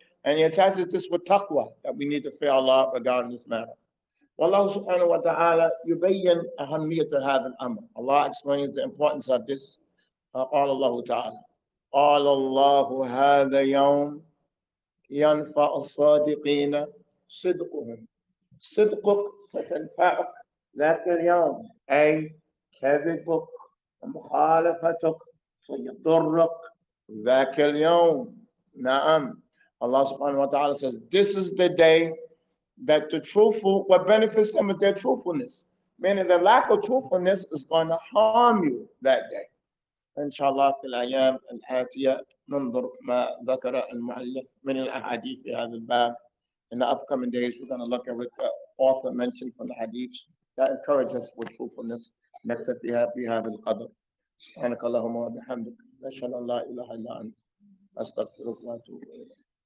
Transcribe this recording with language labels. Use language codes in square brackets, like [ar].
[en] And he attaches this with taqwa that we need to fear Allah regarding this matter. [ar] والله سبحانه وتعالى يبين أهمية هذا الأمر. [en] Allah explains the importance of this. [ar] قال الله تعالى: قال الله هذا يوم ينفع الصادقين صدقهم. صدقك ستنفعك ذاك اليوم، أي كذبك ومخالفتك سيضرك ذاك اليوم. نعم. [en] Allah [ar] سبحانه وتعالى [en] says: This is the day that the truthful, what benefits them is their truthfulness. Meaning the lack of truthfulness is going to harm you that day. [ar] إن شاء الله في الأيام الآتية ننظر ما ذكر المؤلف من الأحاديث في هذا الباب. [en] In the upcoming days, we're going to look at what the author mentioned from the hadith that encourages for truthfulness. [ar] نكتفي بهذا القدر. سبحانك اللهم وبحمدك. أشهد أن لا إله إلا أنت. أستغفرك وأتوب إليك.